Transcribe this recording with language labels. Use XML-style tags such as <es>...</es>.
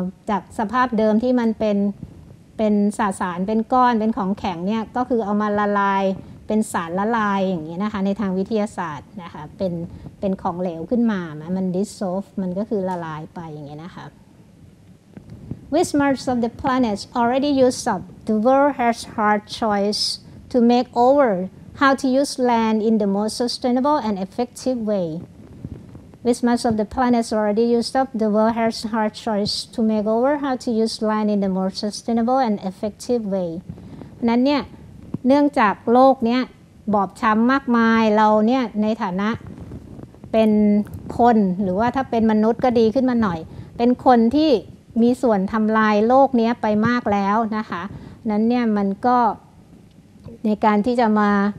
<th>จากสภาพเดิมที่มันเป็นสสารเป็นก้อนเป็นของแข็งเนี่ยก็คือเอามาละลายเป็นสารละลายอย่างเงี้ยนะคะในทางวิทยาศาสตร์นะคะเป็นของเหลวขึ้นมามัน dissolve มันก็คือละลายไปอย่างเงี้ยนะคะ</th> <en>Which parts of the planet already used up, the world has hard choice to make over how to use land in the most sustainable and effective way. Which parts of the planet already used up, the world has hard choice to make over how to use land in the most sustainable and effective way.</en> <th>นั้นเนี่ยเนื่องจากโลกเนี่ยบอบช้ำมากมายเราเนี่ยในฐานะเป็นคนหรือว่าถ้าเป็นมนุษย์ก็ดีขึ้นมาหน่อยเป็นคนที่มีส่วนทำลายโลกนี้ไปมากแล้วนะคะนั้นเนี่ยมันก็ในการที่จะมา</th>